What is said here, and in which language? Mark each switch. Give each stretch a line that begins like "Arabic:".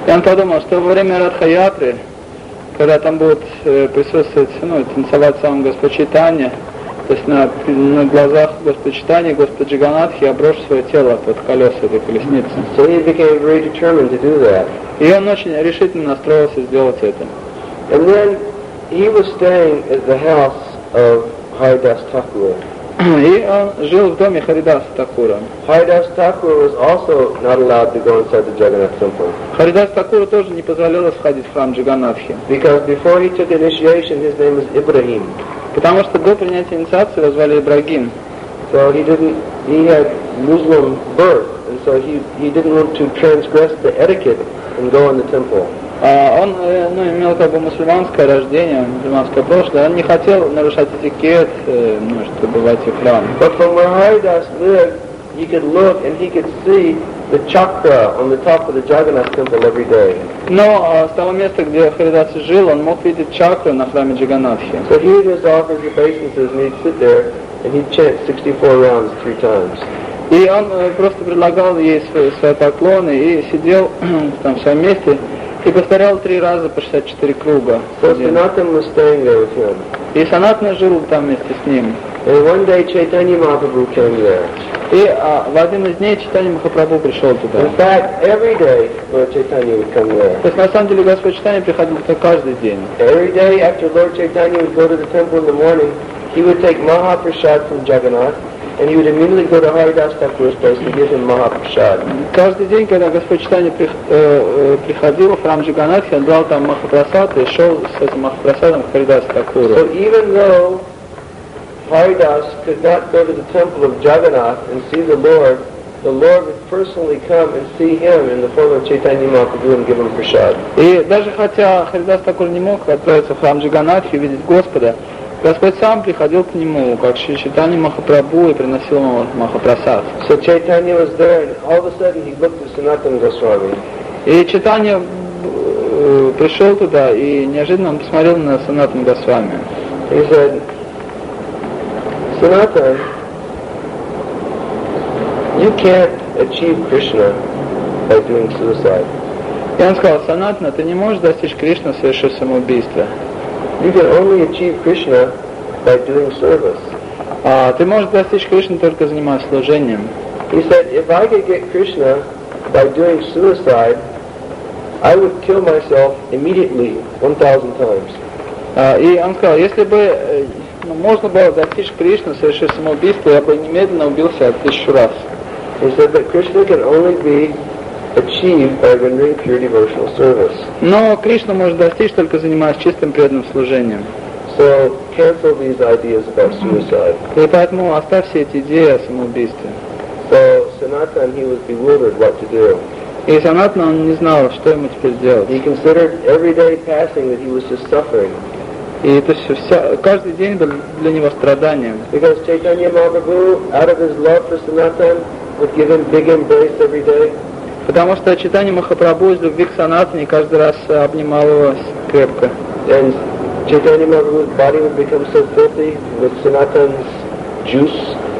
Russian: Он подумал, что во время Ратха Ятры, когда там будут присутствовать, ну, танцевать сам Господь Чайтанья, то есть на глазах Господа Чайтаньи, Господа Джаганатхи, я брошу свое тело под колеса этой колесницы.
English: So he became very determined to do that.
Russian: И он очень решительно настроился сделать это.
English: And then he was staying at the house of Haridas Thakur.
Russian: И он жил в доме Харидаса Такура.
English: Haridas Thakur was also not allowed to go inside the Jagannath temple.
Russian: Haridas Thakur тоже не позволялось ходить в храм Джаганатхи.
English: Because before he took initiation, his name was Ibrahim.
Russian: Потому что до принятия инициации его звали Ибрагим.
English: So he had Muslim birth, and so he didn't want to transgress the etiquette and go in the temple.
Russian: Он имел как бы мусульманское рождение, мусульманское прошлое, он не хотел нарушать этикет, чтобы войти в храм.
English: But from where Haridas lived, he could look and he could see the chakra on the top of the Jagannath temple every day.
Russian: Но с того места, где Харидас жил, он мог видеть чакру на храме Джаганатхи.
English: So he would just offer his obeisances and he'd sit there and he'd chant 64 rounds three times.
Russian: И он просто предлагал ей свои поклоны и сидел там в своем месте. И повторял три раза по 64 круга.
English: So Sanatan was staying there with him.
Russian: И Санатна жил там вместе с ним.
English: And one day Chaitanya Mahaprabhu came there.
Russian: И в один из дней Чайтанья Махапрабху пришел туда.
English: In fact, every day Lord Chaitanya would come there.
Russian: То есть на самом деле Господь Чайтанья приходил туда каждый день.
English: Every day after Lord Chaitanya would go to the temple in the morning, he would take Mahaprasad from Jagannath. And he would immediately go to Haridas Thakur's place to give him Mahaprasad.
Russian: Каждый день, когда Господь Чайтанья приходил в храм Джаганатхи, он брал там Махапрасад и шел с этим Махапрасадом к Харидас Такуру.
English: So even though Haridas could not go to the temple of Jagannath and see the Lord would personally come and see him in the form of Chaitanya Mahaprabhu and give him Prasad.
Russian: И даже хотя Харидас Такур не мог отправиться в храм Джаганатхи и видеть Господа, Господь сам приходил к нему, как Шри Чайтанья Махапрабху, и приносил ему Махапрасад.
English: So Chaitanya was there, and all of a sudden he looked at Sanatana Goswami.
Russian: И Чайтанья пришел туда, и неожиданно он посмотрел на Санатана Госвами.
English: He said, Sanatan, you can't achieve Krishna by doing suicide.
Russian: И он сказал, Санатана, ты не можешь достичь Кришны, совершив самоубийство.
English: You can only achieve Krishna by doing service.
Russian: Ты можешь достичь Кришны только занимаясь служением.
English: He said, if I could get Krishna by doing suicide, I would kill myself immediately 1,000 times.
Russian: И он сказал, если бы можно было достичь Кришны, совершив самоубийство, я бы немедленно убился 1,000 раз.
English: He said that Krishna can only be achieved by rendering pure devotional service.
Russian: Но Кришна может достичь только занимаясь чистым преданным служением.
English: So cancel these ideas about suicide.
Russian: И поэтому оставь все эти идеи о самоубийстве.
English: So Sanatan, he was bewildered what to do.
Russian: И Санатана он не знал, что ему теперь делать.
English: He considered every day passing that he was just suffering.
Russian: И то есть вся, каждый день был для него страданием.
English: Because Chaitanya Mahaprabhu, out of his love for Sanatana, would give him big embrace every day.
Russian: Потому что Чайтанья Махапрабху из любви к Санатане каждый раз обнимал его крепко.
English: And Chaitanya Mahaprabhu's body would become so filthy with Sanatana's juice.